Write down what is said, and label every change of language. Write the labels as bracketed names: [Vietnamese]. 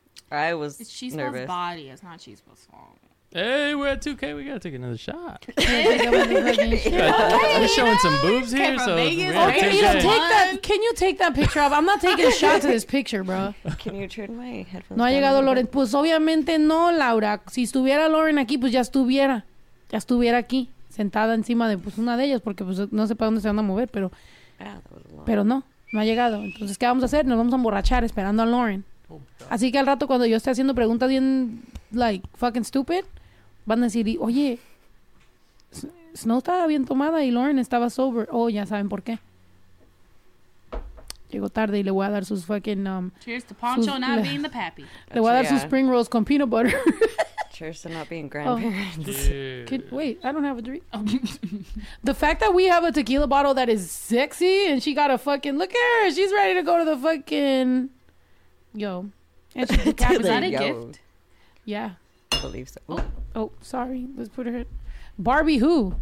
[English] Yeah, I was. It's Chispa's nervous. Body. It's not Chispa's fault. Hey, we're at 2K. We gotta take another shot. Yeah. I'm showing some boobs here, so Vegas, you know, take that. Can you take that picture off? I'm not taking a shot to this picture, bro. Can you turn my headphones? [Spanish] No ha llegado Lauren. Pues obviamente no, Laura. Si estuviera Lauren aquí, pues ya estuviera aquí, sentada encima de pues una de ellas, porque pues no sé para dónde se van a mover, pero. [English] Ah, that was long. [Spanish] Pero no. No ha llegado. Entonces, ¿qué vamos a hacer? Nos vamos a emborrachar esperando a Lauren. Oh, así que al rato, cuando yo esté haciendo preguntas bien, like, fucking stupid, van a decir, oye, Snow estaba bien tomada y Lauren estaba sober. Oh, ya saben por qué. Llegó tarde y le voy a dar sus fucking... [English] Cheers to Poncho sus, not being the pappy. [Spanish] Le voy a dar sus spring rolls con peanut butter. [English] Cheers to not being grandparents. Oh. Yeah. Wait, I don't have a drink. The fact that we have a tequila bottle that is sexy and she got a fucking... Look at her. She's ready to go to the fucking... Yo. Was that a gift? Yeah. I believe so. Oh, oh, sorry. Let's put her. Barbie who?